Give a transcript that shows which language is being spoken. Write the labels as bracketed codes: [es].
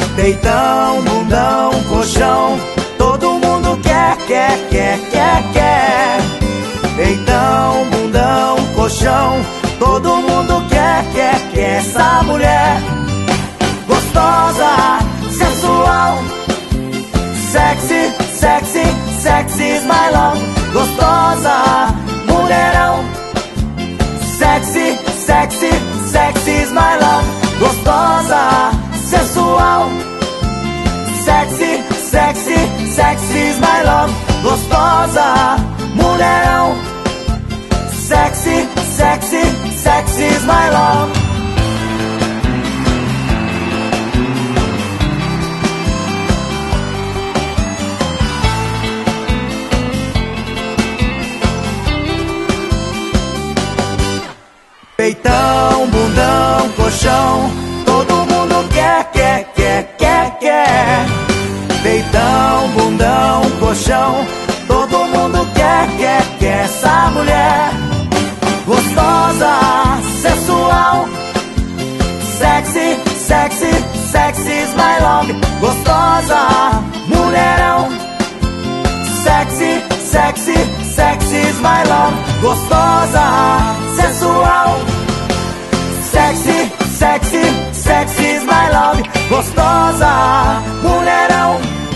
[pt] Peitão, bundão, colchão, todo mundo quer, quer, quer, quer, quer. Peitão, bundão, colchão, todo mundo quer, quer, quer. Essa mulher gostosa, sensual. [en] Sexy, sexy, sexy is my love. [pt] Gostosa, mulherão. [en] Sexy, sexy, sexy is my love. [pt] Gostosa, sensual. [en] Sexy, sexy, sexy is my love. [pt] Gostosa, mulherão. [en] Sexy, sexy, sexy is my love. [pt] Peitão, bundão, colchão, todo mundo quer, quer, quer, quer, quer. Peitão, bundão, colchão, todo mundo quer, quer, quer. Essa mulher gostosa, sensual. [en] Sexy, sexy, sexy is my love. [pt] Gostosa, mulherão. [en] Sexy, sexy, sexy is my love. [pt] Gostosa, sensual. [en] Sexy, sexy, sexy is my love. [pt] Gostosa, mulherão.